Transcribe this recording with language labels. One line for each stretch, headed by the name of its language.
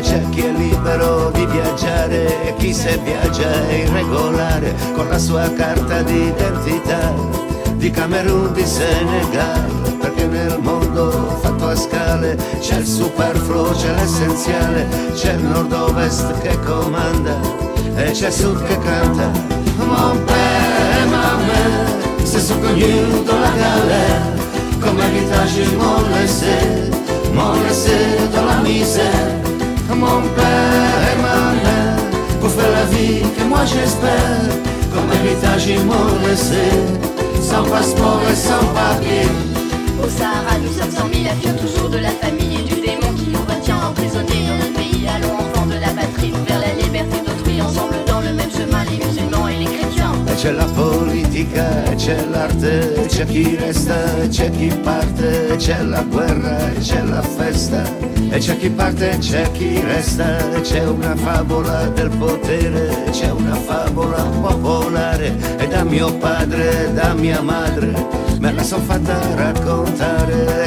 Italian: C'è chi è libero di viaggiare, e chi se viaggia è irregolare, con la sua carta d'identità di Camerun, di Senegal, perché nel mondo fatto a scale c'è il superfluo, c'è l'essenziale, c'è il nord-ovest che comanda e c'è il sud che canta.
French: Mon père et ma mère se sont connus dans la galère, comme un guitage ils m'ont laissé dans la misère. Mon père et ma mère pour faire la vie que moi j'espère, comme un guitage ils m'ont laissé, sans passeport et sans papier. Au Sahara, nous sommes 100 000 avions, toujours de la famille et du démon qui nous retient emprisonnés dans notre pays. Allons enfants de la patrie, nous vers la liberté d'autrui, ensemble dans le même chemin, les musulmans et les chrétiens.
Italian: C'è la politica, c'è l'arte, c'è chi resta, c'è chi parte, c'è la guerra, c'è la festa. E c'è chi parte, c'è chi resta, c'è una favola del potere, c'è una favola popolare, e da mio padre e da mia madre me la son fatta raccontare.